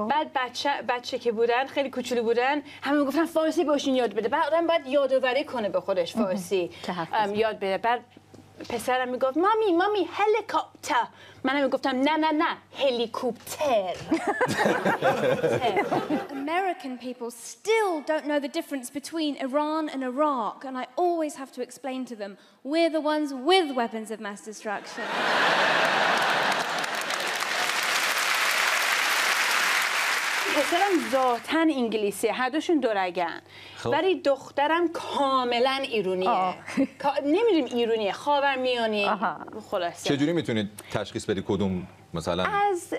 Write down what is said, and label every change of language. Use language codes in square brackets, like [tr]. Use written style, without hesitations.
[fa] بعد بچه که بودن خیلی کوچولو بودن همه میگفتن فارسی باشین یاد بده، بعد آدم باید یادآوری کنه به خودش فارسی یاد بده. بعد پسرم میگفت مامی مامی هلیکوپتر، منم میگفتم نه نه نه هلیکوپتر. [en] American people still don't know the difference between Iran and Iraq and I always have to explain to them we're the ones with weapons of mass destruction. [fa] پسرم ذاتن انگلیسیه، هر دوشون دورگن. خب. ولی دخترم کاملا ایرونیه. نمیدونیم ایرونیه، خاورمیانه. خلاصه چجوری میتونید تشخیص بدید کدوم مثلا از